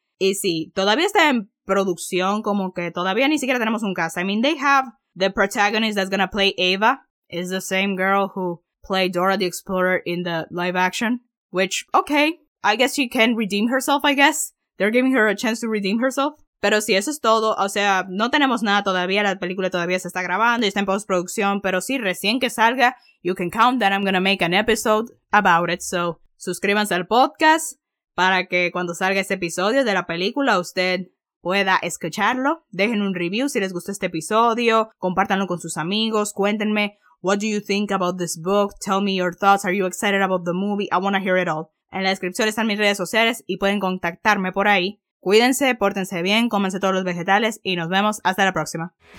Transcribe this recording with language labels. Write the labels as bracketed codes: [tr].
[es] Y sí, todavía está en producción, como que todavía ni siquiera tenemos un cast. [en] I mean, they have the protagonist that's gonna play Eva. It's the same girl who played Dora the Explorer in the live action. Which, okay, I guess she can redeem herself, I guess. They're giving her a chance to redeem herself. [es] Pero sí, eso es todo. O sea, no tenemos nada todavía. La película todavía se está grabando y está en postproducción. Pero sí, recién que salga, [en] you can count that I'm gonna make an episode about it. [es] So, suscríbanse al podcast. Para que cuando salga este episodio de la película usted pueda escucharlo. Dejen un review si les gustó este episodio. Compártanlo con sus amigos. Cuéntenme, [en] what do you think about this book? Tell me your thoughts. Are you excited about the movie? I want to hear it all. [es] En la descripción están mis redes sociales y pueden contactarme por ahí. Cuídense, pórtense bien, cómanse todos los vegetales y nos vemos hasta la próxima.